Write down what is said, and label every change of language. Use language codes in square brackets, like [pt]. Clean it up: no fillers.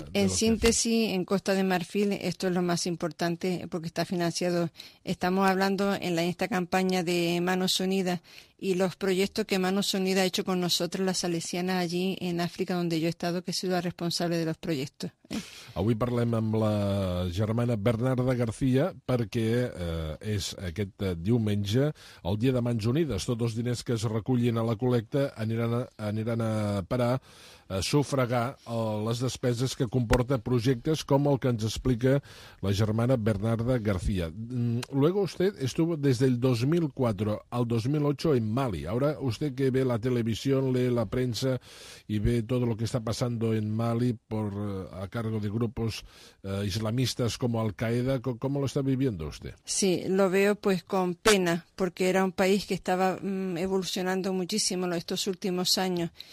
[es] En síntesis, en Costa de Marfil, esto es lo más importante porque está financiado. Estamos hablando en esta campaña de Manos Unidas y los proyectos que Manos Unidas ha hecho con nosotros, las salesianas allí en África, donde yo he estado, que he sido la responsable de los proyectos. [ca] Avui parlem amb la germana Bernarda García perquè és aquest diumenge el dia de Mans Unides. Tots els diners que es recullin a la col·lecta aniran a parar a sufragar les despeses que comporta projectes com el que ens explica la germana Bernarda García. [es] Luego usted estuvo desde el 2004 al 2008 en Mali. Ahora usted que ve la televisión, lee la prensa y ve todo lo que está pasando en Mali a cargo de grupos islamistas como Al-Qaeda, ¿cómo lo está viviendo usted? Sí, lo veo pues con pena, porque era un país que estaba evolucionando muchísimo estos últimos años.